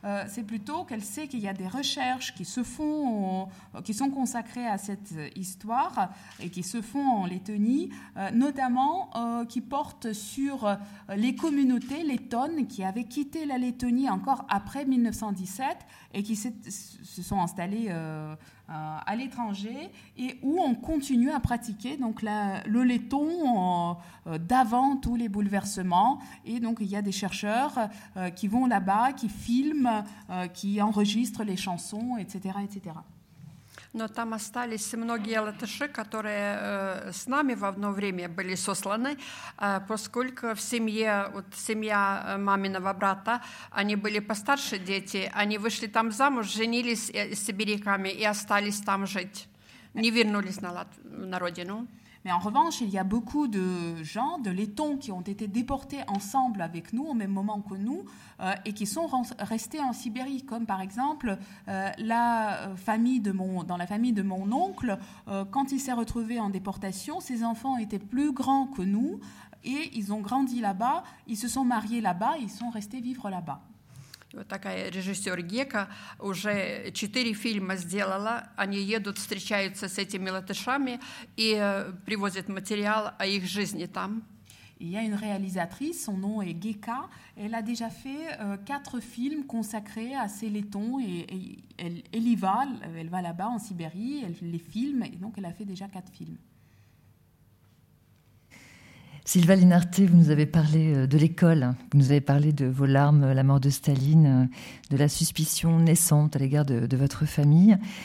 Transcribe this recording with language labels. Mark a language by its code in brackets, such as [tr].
[fr] C'est plutôt qu'elle sait qu'il y a des recherches qui se font, qui sont consacrées à cette histoire et qui se font en Lettonie, notamment qui portent sur les communautés lettones qui avaient quitté la Lettonie encore après 1917 et qui se sont installées à l'étranger et où on continue à pratiquer donc le letton d'avant tous les bouleversements. Et donc il y a des chercheurs qui vont là-bas, qui filment, qui enregistrent les chansons, etc., etc. [ru] Но там остались многие латыши, которые с нами в одно время были сосланы, поскольку в семье, вот семья маминого брата, они были постарше дети, они вышли там замуж, женились с сибиряками и остались там жить, не вернулись на родину. [fr] Mais en revanche, il y a beaucoup de gens, de Lettons, qui ont été déportés ensemble avec nous, au même moment que nous, et qui sont restés en Sibérie, comme par exemple dans la famille de mon oncle, quand il s'est retrouvé en déportation, ses enfants étaient plus grands que nous, et ils ont grandi là-bas, ils se sont mariés là-bas, et ils sont restés vivre là-bas. [ru] Вот такая режиссер Гека уже 4 фильма сделала. Они едут, встречаются с этими латышами и привозят материал о их жизни там. [fr] Il y a une réalisatrice, son nom est Gekka. Elle a déjà fait 4 films consacrés à ces Lettons et elle va là-bas en Sibérie, elle les filme et donc elle a fait déjà 4 films. Silva Linarté, vous nous avez parlé de l'école, vous nous avez parlé de vos larmes, la mort de Staline, de la suspicion naissante à l'égard de votre famille.